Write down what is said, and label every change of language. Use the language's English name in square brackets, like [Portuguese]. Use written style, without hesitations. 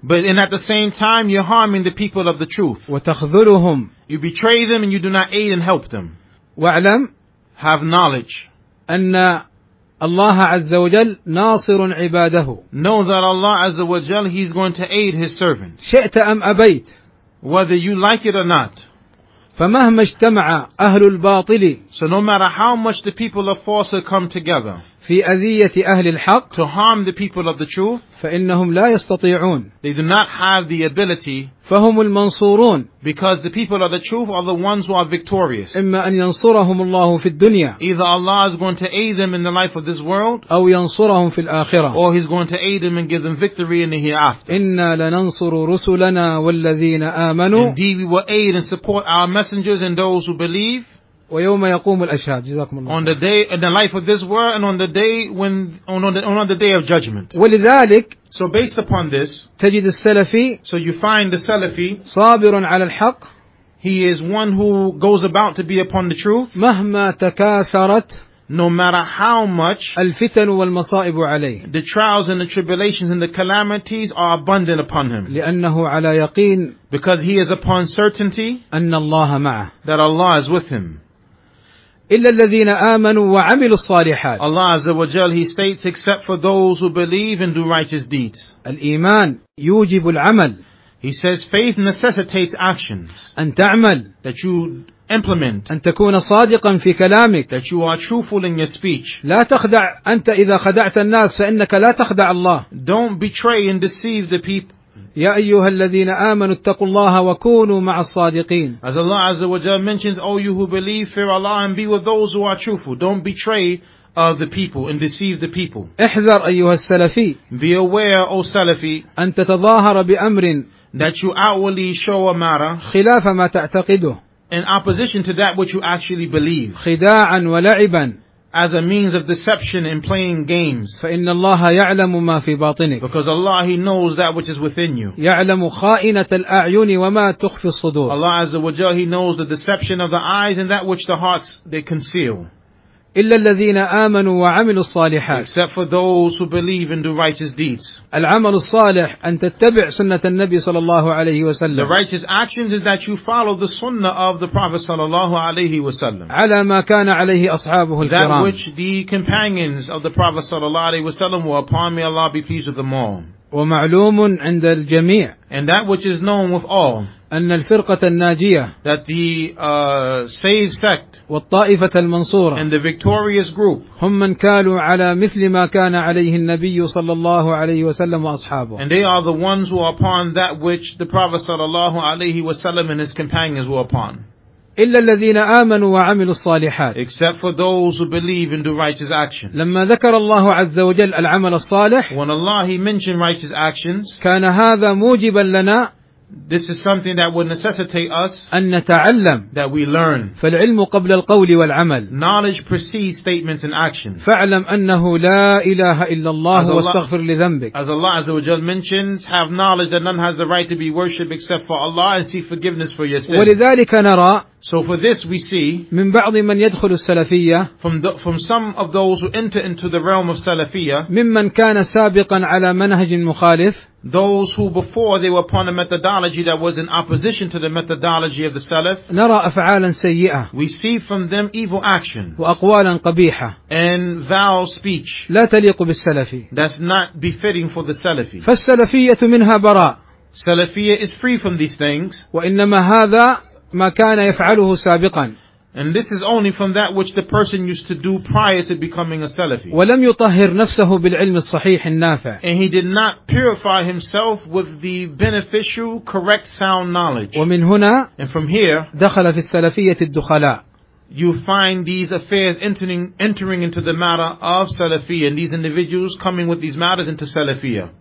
[English] But and at the same time you're harming the people of the truth. [Arabic] وتخذلهم. [English] You betray them and you do not aid and help them. [Arabic] واعلم. [English] Have knowledge. [Arabic] أن الله عز وجل ناصر عباده. [English] Know that Allah [Arabic] عز وجل, [English] he's going to aid his servant. [Arabic] شئت أم أبيت. [English] Whether you like it or not. [Arabic] فمهما اجتمع أهل الباطل. [English] So no matter how much the people of falsehood come together. [Arabic] في أذية أهل الحق. [English] To harm the people of the truth. [Arabic] فإنهم لا يستطيعون. [English] They do not have the ability. [Arabic] فهم المنصورون. [English] Because the people of the truth are the ones who are victorious. [Arabic] إما أن ينصرهم الله في الدنيا. [English] Either Allah is going to aid them in the life of this world. [Arabic] أو ينصرهم في الآخرة. [English] Or He's going to aid them and give them victory in the hereafter. [Arabic] إنا لننصر رسلنا والذين آمنوا. [English] Indeed we will aid and support our messengers and those who believe. [Arabic] ويوم يقوم الأشهاد. جزاكم الله. [English] On the day in the life of this world and on the day when on the day of judgment. [Arabic] ولذلك. [English] So based upon this. [Arabic] تجد السلفي. [English] So you find the Salafi. [Arabic] صابر على الحق. [English] He is one who goes about to be upon the truth. [Arabic] مهما تكاثرت. [English] No matter how much. [Arabic] الفتن والمصائب عليه. [English] The trials and the tribulations and the calamities are abundant upon him. [Arabic] لأنه على يقين. [English] Because he is upon certainty. [Arabic] أن الله معه. [English] That Allah is with him. [Arabic] إلا الذين آمنوا وعملوا الصالحات. [English] Allah Azza wa Jal, he states, except for those who believe and do righteous deeds. [Arabic] الإيمان يوجب العمل. [English] He says, faith necessitates actions. [Arabic] أن تعمل. [English] That you implement. [Arabic] أن تكون صادقا في كلامك. [English] That you are truthful in your speech. [Arabic] لا تخدع أنت إذا خدعت الناس فإنك لا تخدع الله. [English] Don't betray and deceive the people. [Arabic] يا أيها الذين آمنوا اتقوا الله وكونوا مع الصادقين. [English] As Allah Azza wa Jalla mentions, O you who believe, fear Allah and be with those who are truthful. Don't betray the people and deceive the people. [Arabic] احذر أيها السلفي. [English] Be aware, O Salafi. [Arabic] أن تتظاهر بأمر. [English] That you outwardly show a matter. [Arabic] خلاف ما تعتقده. [English] In opposition to that which you actually believe. [Arabic] خداعا ولعبا. [English] As a means of deception and playing games. [Arabic] فإن الله يعلم ما في باطنك. [English] Because Allah, He knows that which is within you. [Arabic] يعلم خائنة الأعين وما تخفي الصدور. [English] Allah Azza wa Jalla, He knows the deception of the eyes and that which the hearts they conceal. [Arabic] إلا الذين آمنوا وعملوا الصالحات. [English] Except for those who believe and do righteous deeds. [Arabic] العمل الصالح أن تتبع سنة النبي صلى الله عليه وسلم. [English] The righteous actions is that you follow the sunnah of the Prophet [Arabic] صلى الله عليه وسلم. على ما كان عليه أصحابه الكرام. [English] That which the companions of the Prophet [Arabic] صلى الله عليه وسلم [English] were upon, may Allah be pleased with them all. [Arabic] ومعلوم عند الجميع. [English] And that which is known with all. [Arabic] أن الفرقة الناجية. [English] That the saved sect. [Arabic] والطائفة المنصورة. [English] And the victorious group. [Arabic] هم من كانوا على مثل ما كان عليه النبي صلى الله عليه وسلم وأصحابه. [English] And they are the ones who are upon that which the Prophet [Arabic] صلى الله عليه وسلم [English] and his companions were upon. [Arabic] إلا الذين آمنوا وعملوا الصالحات. [English] Except for those who believe and do righteous actions. [Arabic] لما ذكر الله عز وجل العمل الصالح. [English] When Allah He mentioned righteous actions. [Arabic] كان هذا موجبا لنا. [English] This is something that would necessitate us. [Arabic] أن نتعلم. [English] That we learn. [Arabic] فالعلم قبل القول والعمل. [English] Knowledge precedes statements and actions. [Arabic] فاعلم أنه لا إله إلا الله واستغفر لذنبك. [English] As Allah Azza wa Jalla mentions, have knowledge that none has the right to be worshipped except for Allah and seek forgiveness for your sin. [Arabic] ولذلك نرى. [English] So for this we see. [Arabic] من بعض من يدخل السلفية. [English] From some of those who enter into the realm of Salafiyya. [Arabic] ممن كان سابقا على منهج مخالف. [English] Those who before they were upon a methodology that was in opposition to the methodology of the Salaf. [Arabic] نرى أفعالا سيئة. [English] We see from them evil actions. [Arabic] وأقوالا قبيحة. [English] And vile speech. [Arabic] لا تليق بالسلفي. [English] That's not befitting for the Salafi. [Arabic] فالسلفية منها براء. [English] Salafiyya is free from these things. [Arabic] وإنما هذا ما كان يفعله سابقا. [English] And this is only from that which the person used to do prior to becoming a Salafi. [Arabic] ولم يطهر نفسه بالعلم الصحيح النافع. [English] And he did not purify himself with the beneficial, correct, sound knowledge. [Arabic] ومن هنا. [English] And from here. [Arabic] دخل في السلفية الدخلاء. [English] You find these affairs entering into the matter of Salafiyya, and these individuals coming with these matters into Salafiyya.